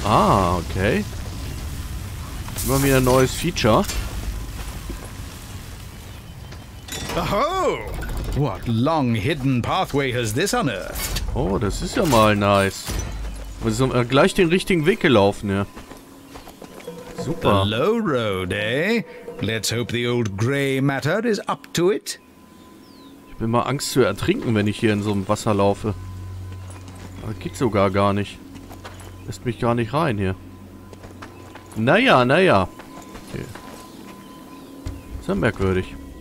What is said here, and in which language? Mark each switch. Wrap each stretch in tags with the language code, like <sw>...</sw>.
<de>Ah, okay. Immer wieder ein neues Feature.</de> <en>Aho! What long hidden pathway has this unearthed?</en> <de>Oh, das ist ja mal nice. Wir sind gleich den richtigen Weg gelaufen, ja. Super.</de> <en>The low road, eh? Let's hope the old grey matter is up to it.</en> <de>Ich bin mal Angst zu ertrinken, wenn ich hier in so einem Wasser laufe. Das geht sogar gar nicht. Lässt mich gar nicht rein hier. Naja, naja. Okay. Ist ja merkwürdig.</de>